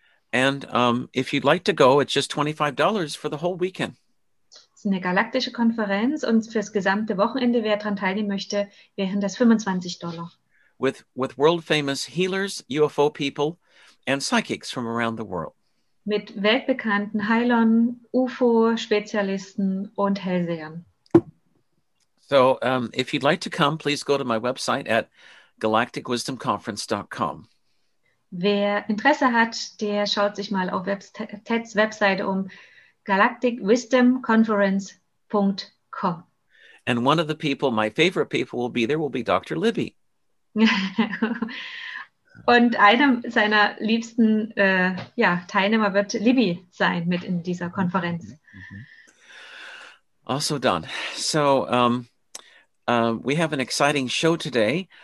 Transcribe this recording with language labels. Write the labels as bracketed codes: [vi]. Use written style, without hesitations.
[en] And if you'd like to go, it's just $25 for the whole weekend. [de] Es ist eine galaktische Konferenz, und fürs gesamte Wochenende, wer daran teilnehmen möchte, wären das $25. [en] With world famous healers, UFO people, and psychics from around the world. [de] Mit weltbekannten Heilern, UFO-Spezialisten und Hellsehern. [en] So if you'd like to come, please go to my website at galacticwisdomconference.com. [de] Wer Interesse hat, der schaut sich mal auf Teds Webseite um, galacticwisdomconference.com. [en] And one of the people, my favorite people will be there, will be Dr. Libby. [de] Und einer seiner liebsten Teilnehmer wird Libby sein mit in dieser Konferenz. [en] Also done. So we have an exciting show today.